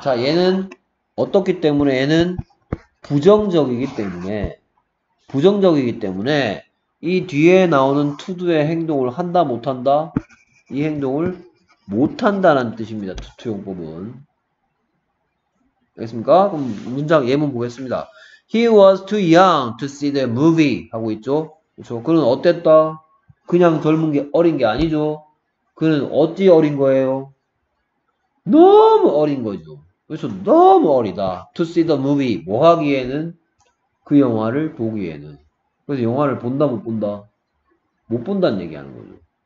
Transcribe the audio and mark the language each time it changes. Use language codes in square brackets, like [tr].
[ko] 자, 얘는 어떻기 때문에 얘는 부정적이기 때문에 이 뒤에 나오는 투두의 행동을 한다 못한다? 이 행동을 못한다는 뜻입니다. 투투 용법은. 알겠습니까? 그럼 문장 예문 보겠습니다. [en] He was too young to see the movie [ko] 하고 있죠. 그렇죠? 그는 어땠다? 그냥 젊은 게 어린 게 아니죠. 그는 어찌 어린 거예요? 너무 어린 거죠. 그래서 너무 어리다. [en] To see the movie. [ko] 뭐 하기에는? 그 영화를 보기에는. 그래서 영화를 본다 못 본다? 못 본다는 얘기하는 거죠.